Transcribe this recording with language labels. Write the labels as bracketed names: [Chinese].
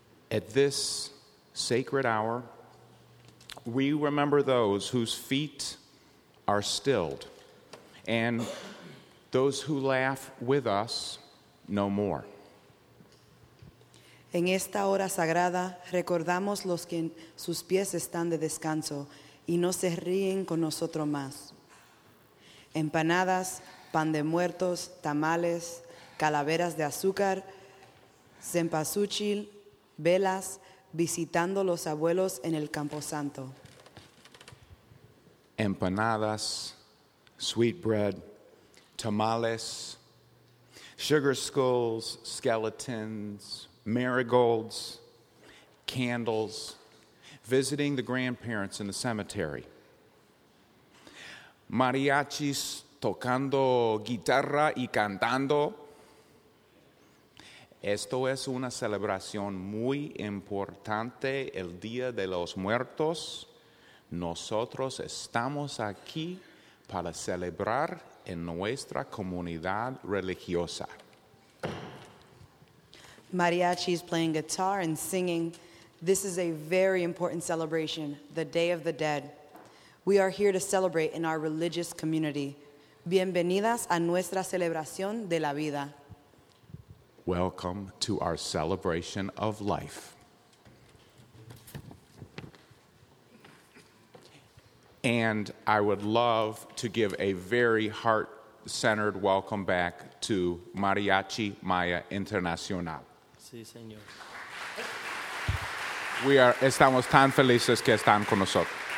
[English] At this sacred hour, we remember those whose feet are stilled and those who laugh with us no more. [Spanish] En esta hora sagrada, recordamos los que sus pies están de descanso y no se ríen con nosotros más. Empanadas, pan de muertos, tamales, calaveras de azúcar, cempasúchil, velas, visitando los abuelos en el camposanto. [English] Empanadas, sweet bread, tamales, sugar skulls, skeletons, marigolds, candles, visiting the grandparents in the cemetery. [Spanish] Mariachis tocando guitarra y cantando. Esto es una celebración muy importante, el Día de los Muertos. Nosotros estamos aquí para celebrar en nuestra comunidad religiosa. [English] Mariachi is playing guitar and singing. This is a very important celebration, the Day of the Dead. We are here to celebrate in our religious community. [Spanish] Bienvenidas a nuestra celebración de la vida. [English] Welcome to our celebration of life. And I would love to give a very heart-centered welcome back to Mariachi Maya Internacional. [Spanish] Sí, señor. Estamos tan felices que están con nosotros.